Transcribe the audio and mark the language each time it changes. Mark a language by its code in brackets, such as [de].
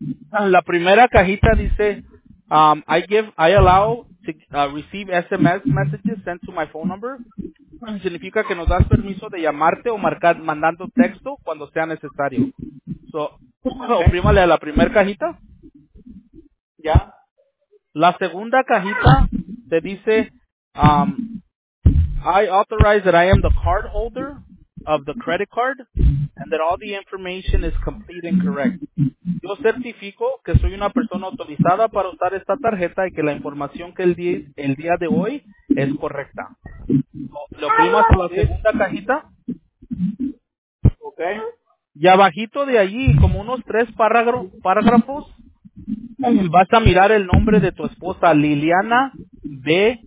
[es] La primera cajita dice [en] I allow to receive SMS messages sent to my phone number. [es] Significa que nos das permiso de llamarte o marcar mandando texto cuando sea necesario. So, okay. Oprímale a la primera cajita. Ya. La segunda cajita te dice [en] I authorize that I am the card holder of the credit card and that all the information is complete and correct. [es] Yo certifico que soy una persona autorizada para usar esta tarjeta y que la información que el día de hoy es correcta. Lo oprimas a la segunda cajita. [en] Okay. [es] Y abajito de allí, como unos tres párrafos, vas a mirar el nombre de tu esposa, Liliana B.